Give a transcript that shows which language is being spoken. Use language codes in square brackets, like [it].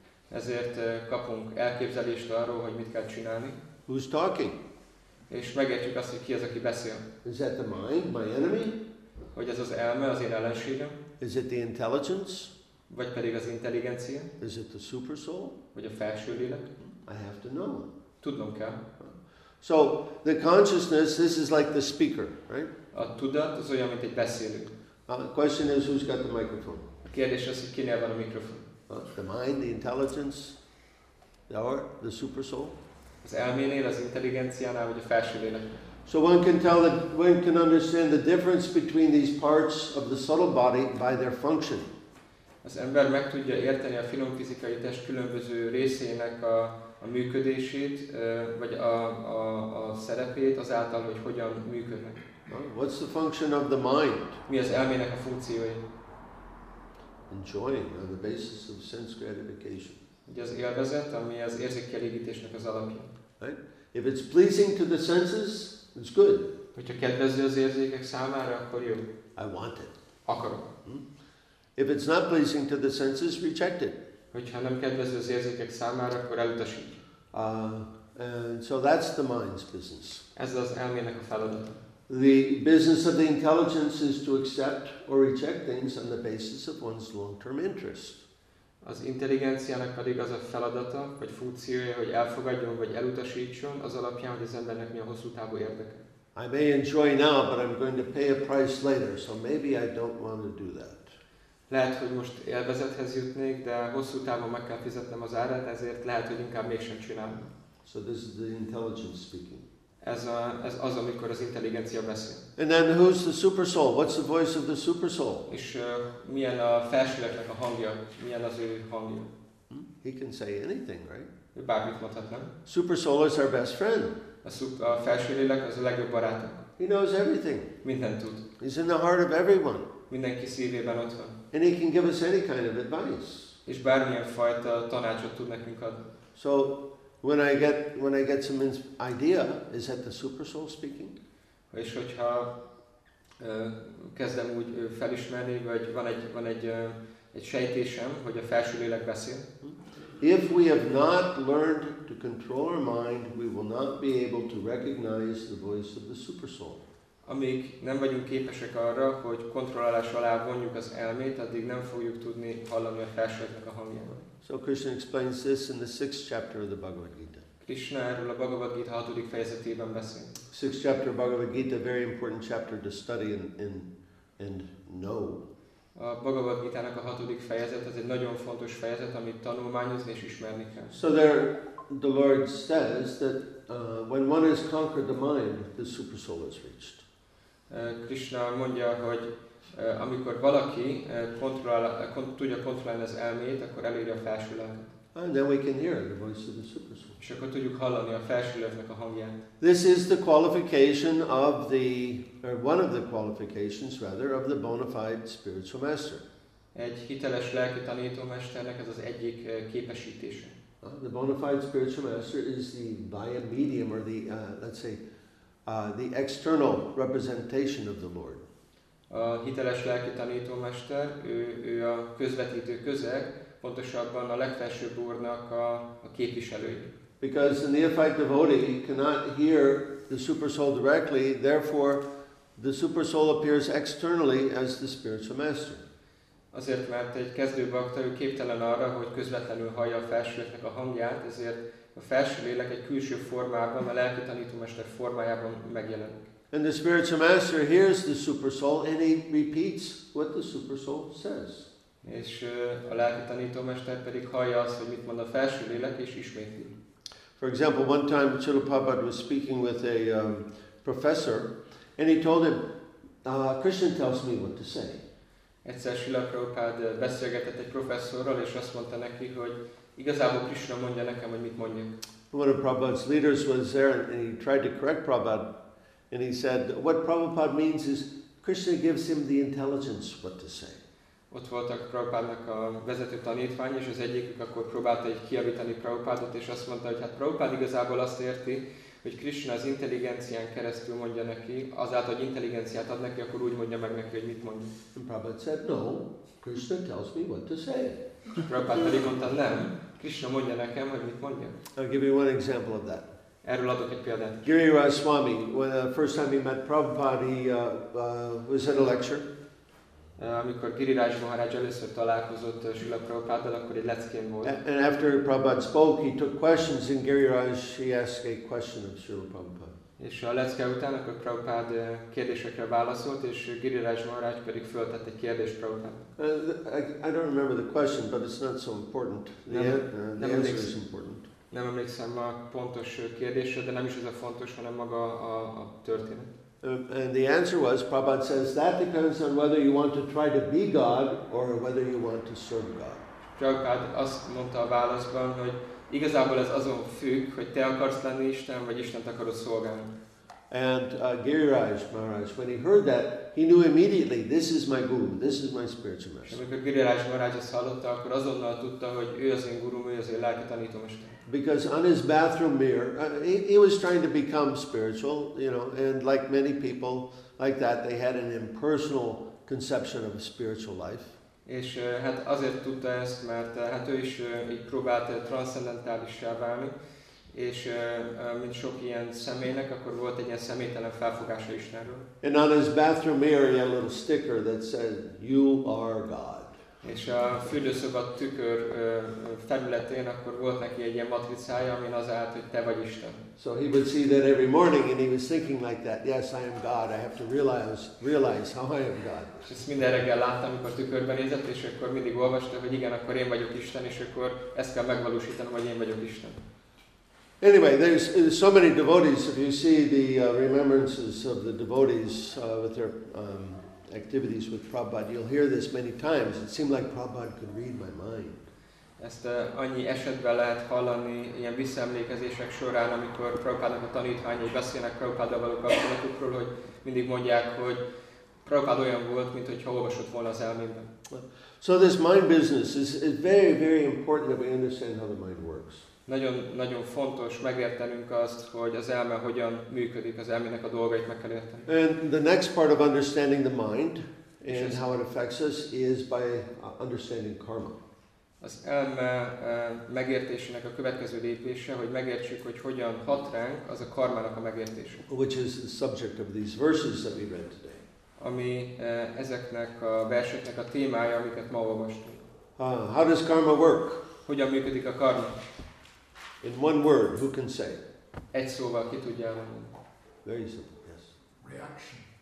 [hu] Ezért kapunk elképzelést arról, hogy mit kell csinálni. [en] Who's talking? [hu] És megértjük azt, hogy ki az, aki beszél. [en] Is that the mind, my enemy? [hu] Hogy ez az elme, az én ellenségem? [en] Is it the intelligence? [hu] Vagy pedig az intelligencia? [en] Is it the super soul? [hu] Vagy a felső lélek? [en] I have to know. [hu] Tudnom kell. [en] So the consciousness, this is like the speaker, right? [hu] A tudat az olyan, mint egy beszélő. [en] The question is, who's got the microphone? [hu] A kérdés az, hogy kinél van a mikrofon. [en] The mind, the intelligence, or the super soul? [hu] Az elménél, az intelligenciánál, vagy a felsőlélek. [en] So one can tell that one can understand the difference between these parts of the subtle body by their function. [hu] Az ember meg tudja érteni a finom fizikai test különböző részének a működését, vagy a szerepét azáltal, hogy hogyan működnek. [en] What's the function of the mind? [hu] Mi az elmének a funkciója? [en] Enjoying on the basis of sense gratification. [hu] Ugye az élvezet, ami az érzékkielégítésnek az alapja. [en] Right? If it's pleasing to the senses, it's good. [hu] Hogyha kedvező az érzékek számára, akkor jó. [en] I want it. [hu] Akarom. [en] If it's not pleasing to the senses, reject it. [hu] Hogyha nem kedvező az érzékek számára, akkor elutasít. [en] And so that's the mind's business. [hu] Ez az elmének a feladata. [en] The business of the intelligence is to accept or reject things on the basis of one's long-term interest. [hu] Az intelligenciának pedig az a feladata, vagy funkciója, hogy elfogadjon, vagy elutasítson, az alapján, hogy az embernek mi a hosszú távú érdeke. [en] I may enjoy now, but I'm going to pay a price later, so maybe I don't want to do that. [hu] Lehet, hogy most élvezethez jutnék, de hosszú távon meg kell fizetnem az árat, ezért lehet, hogy inkább mégsem csinálom. [en] So this is the intelligence speaking. [hu] Ez az, amikor az intelligencia beszél. [en] And then who's the super soul? What's the voice of the super soul? [hu] És milyen a felsőleknek a hangja? Milyen az ő hangja? [en] He can say anything, right? [hu] Ő bármit mondhat, nem? [en] Super soul is our best friend. [hu] A felsőlélek az a legjobb barátunk. [en] He knows everything. [hu] Mindent tud. [en] He's in the heart of everyone. [hu] Mindenki szívében ott van. [en] And he can give us any kind of advice. [hu] És bármilyen fajta tanácsot tud nekünk adni. [en] So When I get some idea, is that the super soul speaking? [hu] És hogyha kezdem úgy felismerni, vagy van egy sejtésem, hogy a felsőlélek beszél. [en] If we have not learned to control our mind, we will not be able to recognize the voice of the super soul. [hu] Amíg nem vagyunk képesek arra, hogy kontrollálás alá vonjuk az elmét, addig nem fogjuk tudni hallani a felsőlélek a hangját. [en] So Krishna explains this in the 6th chapter of the Bhagavad Gita. [hu] Krishna erről a Bhagavad Gita 6. fejezetében beszél. [en] 6th chapter of Bhagavad Gita, very important chapter to study and know. [hu] A Bhagavad Gita-nak a 6. fejezet, ez egy nagyon fontos fejezet, amit tanulmányozni és ismerni kell. [en] So there, the Lord says that when one has conquered the mind, the super soul is reached. [hu] Krishna mondja, hogy amikor valaki tudja kontrollálni az elmét, akkor eléri a felsőlelket. [en] And then we can hear the voice of the super soul. [hu] És akkor tudjuk hallani a felsőlelknek a hangját. [en] This is the qualification of the, or one of the qualifications rather, of the bona fide spiritual master. [hu] Egy hiteles lelki tanítómesternek ez az egyik képesítése. [en] The bona fide spiritual master is the via medium, or the let's say the external representation of the Lord. [hu] A hiteles lelki tanítómester, ő a közvetítő közeg, pontosabban a legfelsőbb úrnak a képviselője. [en] Because the neophyte devotee cannot hear the super soul directly, therefore the super soul appears externally as the spiritual master. [hu] Azért, mert egy kezdő bakta, ő képtelen arra, hogy közvetlenül hallja a felsőlélek a hangját, ezért a felsőlélek egy külső formában, a lelki tanítómester formájában megjelenik. [en] And the spiritual master hears the super soul and he repeats what the super soul says. [hu] És a lelki tanítómester pedig hallja azt, hogy mit mond a felsőlélek, és ismétli. [en] For example, one time Srila Prabhupada was speaking with a professor, and he told him, Krishna tells me what to say. [hu] Egyszer Srila Prabhupada beszélgetett egy professzorral, és azt mondta neki, hogy igazából Krishna mondja nekem, hogy mit mondjak. [en] One of Prabhupada's leaders was there, and he tried to correct Prabhupada, and he said, what Prabhupada means is, Krishna gives him the intelligence what to say. [hu] Ott voltak Prabhupádnak a vezető tanítvány, és az egyikük akkor próbálta egy kijavítani Prabhupádot, és azt mondta, hogy hát Prabhupád igazából azt érti, hogy Krishna az intelligencián keresztül mondja neki, azáltal, hogy intelligenciát ad neki, akkor úgy mondja meg neki, hogy mit mond. [en] And Prabhupád said, no, Krishna tells me what to say. [hu] Prabhupád pedig mondta, nem, Krishna mondja nekem, hogy mit mondja. [en] I'll give you one example of that. [hu] Erről adok egy példát. [en] Giriraj Swami, when the first time he met Prabhupád, he was at a lecture. [hu] Amikor Giriraj Maharaj először találkozott Srila Prabhupáddal, akkor egy leckén volt. [en] And after Prabhupada spoke, he took questions and Giriraj, he asked a question of Srila Prabhupada. [hu] És a lecke után, akkor Prabhupád kérdésekre válaszolt, és Giriraj Maharaj pedig föltette kérdést Prabhupádnak. [en] I don't remember the question, but it's not so important. The answer is important. [hu] Nem emlékszem a pontos kérdésre, de nem is ez a fontos, hanem maga a történet. [en] And the answer was, Prabhupada says, that depends on whether you want to try to be God or whether you want to serve God. [hu] Prabhupada azt mondta a válaszban, hogy igazából ez azon függ, hogy te akarsz lenni Isten, vagy Istent akarod szolgálni. [en] And Giriraj Maharaj, when he heard that, he knew immediately, this is my guru, this is my spiritual master. [hu] Amikor Giriraj Maharaj ezt hallotta, akkor azonnal tudta, hogy ő az én gurum, ő az én lelki tanítómester. [en] Because on his bathroom mirror, he was trying to become spiritual, you know, and like many people like that, they had an impersonal conception of a spiritual life. [hu] És hát azért tudta ezt, mert hát ő is így próbált transzcendentálissá válni, és mint sok ilyen személynek, akkor volt egy ilyen személytelen felfogása Istenről. [en] And on his bathroom mirror, he had a little sticker that said, you are God. [hu] És a fürdőszoba tükör felületén akkor volt neki egy ilyen matricája, amin az állt, hogy te vagy Isten. [en] So he would see that every morning and he was thinking like that, yes, I am God, I have to realize how I am God. [hu] És ezt minden reggel láttam, amikor tükörben nézett, és akkor mindig olvasta, hogy igen, akkor én vagyok Isten, és akkor ezt kell megvalósítanom, hogy én vagyok Isten. [en] Anyway, there's so many devotees, if you see the remembrances of the devotees with their activities with Prabhupada, you'll hear this many times. It seemed like Prabhupada could read my mind. [hu] Ezt annyi esetben lehet hallani ilyen visszaemlékezések során, amikor Prabhupádnak a tanítványai beszélnek Prabhupáddal való kapcsolatukról, hogy mindig mondják, hogy Prabhupád olyan volt, mint hogyha olvasott volna az elmében. [en] So this mind business is very, very important that we understand how the mind works. [hu] Nagyon-nagyon fontos megértenünk azt, hogy az elme hogyan működik, az elmének a dolgait meg kell érteni. [en] And the next part of understanding the mind and how it affects us is by understanding karma. [hu] Az elme megértésének a következő lépése, hogy megértsük, hogy hogyan hat ránk, az a karmának a megértése. [en] Which is the subject of these verses that we read today. [hu] Ami ezeknek a verseknek a témája, amiket ma olvastunk. [en] How does karma work? [hu] Hogyan működik a karma? [en] In one word, who can say? [hu] Egy szóval ki tudja elmondani. [en] Very simple, yes. Reaction.